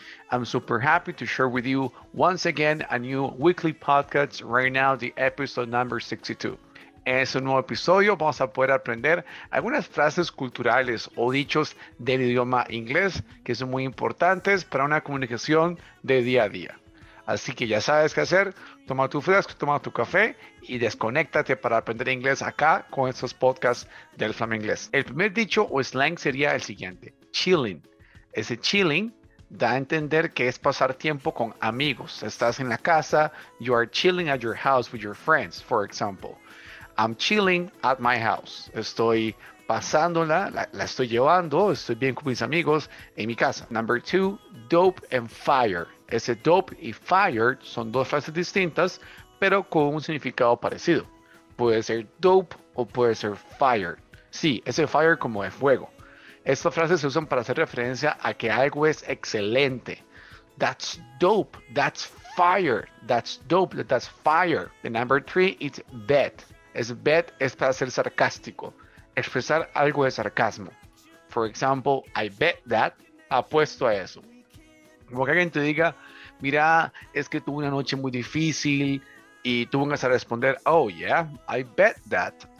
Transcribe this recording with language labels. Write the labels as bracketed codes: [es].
[en] I'm super happy to share with you once again a new weekly podcast. Right now, the episode number 62. [es] En este nuevo episodio vamos a poder aprender algunas frases culturales o dichos del idioma inglés que son muy importantes para una comunicación de día a día. Así que ya sabes qué hacer, toma tu fresco, toma tu café y desconéctate para aprender inglés acá con estos podcasts del Flamenglés. El primer dicho o slang sería el siguiente, chilling. Ese chilling da a entender que es pasar tiempo con amigos. Estás en la casa, [en] you are chilling at your house with your friends, for example. I'm chilling at my house. [es] Estoy pasándola, la estoy llevando, estoy bien con mis amigos en mi casa. [en] Number two, dope and fire. [es] Ese dope y fire son dos frases distintas, pero con un significado parecido. Puede ser dope o puede ser fire. Sí, ese fire como de fuego. Estas frases se usan para hacer referencia a que algo es excelente. [en] That's dope, that's fire, that's dope, that's fire. The number three, it's bet. [es] Es bet es para ser sarcástico, expresar algo de sarcasmo. [en] For example, I bet that, [es] apuesto a eso. Como que alguien te diga, mira, es que tuve una noche muy difícil y tú vengas a responder, [en] oh yeah, I bet that.